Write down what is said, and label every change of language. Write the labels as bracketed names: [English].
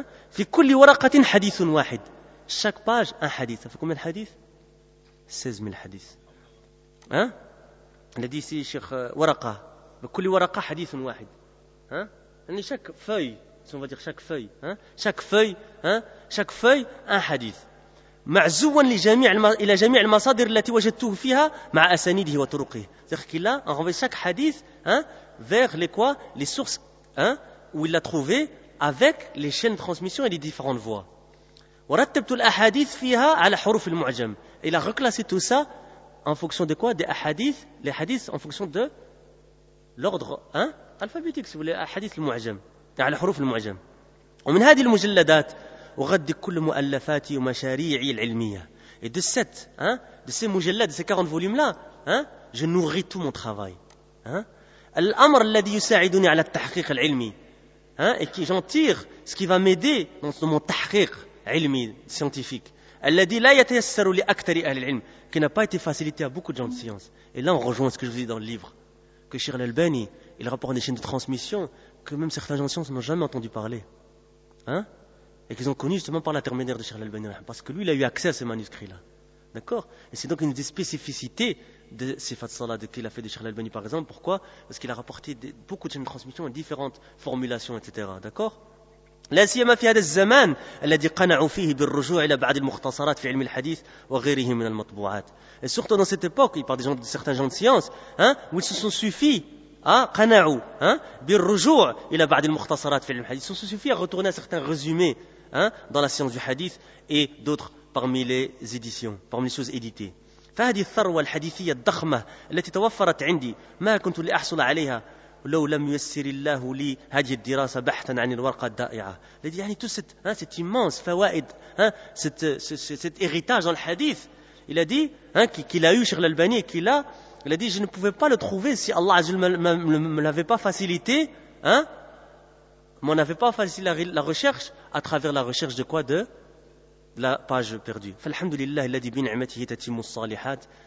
[Arabic] في كل ورقة حديث واحد. [French] Chaque page un hadith. Ça fait combien de hadith? 16 000 hadith. Il a dit ici cheikh ورقة. [Arabic] كل ورقة حديث واحد. [French] يعني chaque feuille, si on va dire chaque feuille, chaque feuille, un hadith. [Arabic] معزوًا إلى جميع المصادر التي وجدته فيها مع أسانيده وطرقه. [French] C'est-à-dire qu'il a envoyé chaque hadith, vers les quoi, les sources, où il l'a trouvé, avec les chaînes de transmission et les différentes voies. [Arabic] ورتبت الأحاديث فيها على حروف المعجم. [French] Il a reclassé tout ça en fonction de quoi? Des hadiths, les hadiths en fonction de l'ordre alphabétique, si vous voulez, hadith المعجم. [Arabic] على حروف المعجم. ومن هذه المجلدات أغدي كل مؤلفاتي ومشاريعي العلمية. [French] Et de cette, de ces مجلدات, de ces 40 volumes là, je nourris tout mon travail. [Arabic] الأمر الذي يساعدني على التحقيق العلمي. [French] Et qui j'en tire ce qui va m'aider dans mon تحقيق. [Arabic] علمي, scientifique. الذي لا يتيسر لأكثر أهل العلم. [French] Qui n'a pas été facilité à beaucoup de gens de science. Et là, on rejoint ce que je vous dis dans le livre. Que Cheikh Al-Albani, il rapporte des chaînes de transmission que même certains gens de science n'ont jamais entendu parler. Et qu'ils ont connu justement par l'intermédiaire de Cheikh Al-Albani. Parce que lui, il a eu accès à ces manuscrits-là. D'accord? Et c'est donc une des spécificités de ces fatsas-là, de qu'il a fait de Cheikh Al-Albani, par exemple. Pourquoi? Parce qu'il a rapporté beaucoup de chaînes de transmission et différentes formulations, etc. D'accord? [Arabic] لا سيما في هذا الزمان الذي قنعوا فيه بالرجوع إلى بعض المختصرات في علم الحديث وغيره من المطبوعات. [French] Et surtout dans cette époque, par des gens, de certains gens de science, où ils se sont suffis à [Arabic] قنعوا بالرجوع إلى بعض المختصرات في علم الحديث. [French] Ils se sont suffis à retourner à certains résumés dans la science du hadith et d'autres parmi les éditions, parmi les choses éditées. [Arabic] فهذه الثروة الحديثية الضخمة التي توفرت عندي ما كنت لأحصل عليها لو لم يسر الله لي هذه الدراسة بحثا عن الورقة الدائعة. [French] يعني توسط cet immense فوائد cet héritage dans le hadith. Il a dit qu'il a eu Cheikh Al-Albani et qu'il a, il a dit je ne pouvais pas le trouver si Allah Azzul me l'avait pas facilité, m'en avait pas facilité la recherche à travers la recherche de quoi? De la page perdue. [Arabic] فالحمدلله الذي بنعمته تتم الصالحات.